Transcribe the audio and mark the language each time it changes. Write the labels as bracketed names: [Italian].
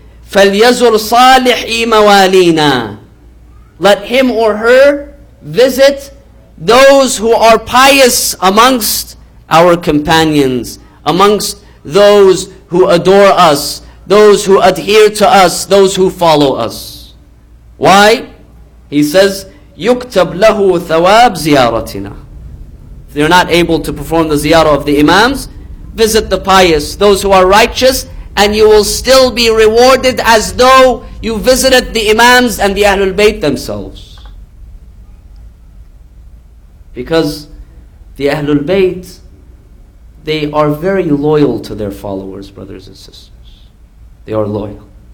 [Arabic] فَلْيَزُرْ صَالِحِ مَوَالِينَا. [English] Let him or her visit those who are pious amongst our companions, amongst those who adore us, those who adhere to us, those who follow us. Why? He says, [Arabic] يُكْتَبْ لَهُ ثَوَابْ زِيَارَتِنَا. [English] If they're not able to perform the ziyarah of the Imams, visit the pious, those who are righteous, and you will still be rewarded as though you visited the Imams and the Ahlul Bayt themselves. Because the Ahlul Bayt, they are very loyal to their followers, brothers and sisters. They are loyal.